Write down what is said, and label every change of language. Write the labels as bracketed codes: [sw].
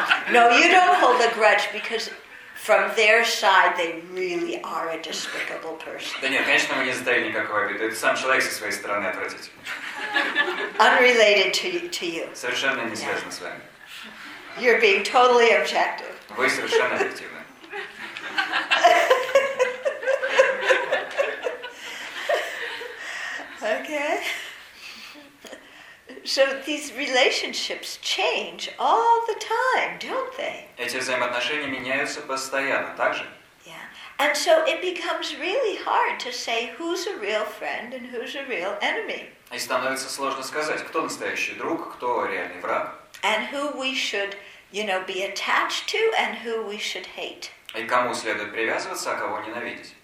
[en] No, you don't hold a grudge because from their side they really are a despicable person. [ru] Да нет, конечно, мы не затаили никакого обиды. Это сам человек со своей стороны отвратительный. [en] Unrelated to you. [ru] Совершенно не связан с вами. [en] You're being totally objective. [ru] Вы совершенно объективны. [en] Okay. So these relationships change all the time, don't they? [ru] Эти взаимоотношения меняются постоянно, так же? [en] Yeah. And so it becomes really hard to say who's a real friend and who's a real enemy. [ru] И становится сложно сказать, кто настоящий друг, кто реальный враг. [en] And who we should, you know, be attached to and who we should hate. [ru] И кому следует привязываться, а кого ненавидеть?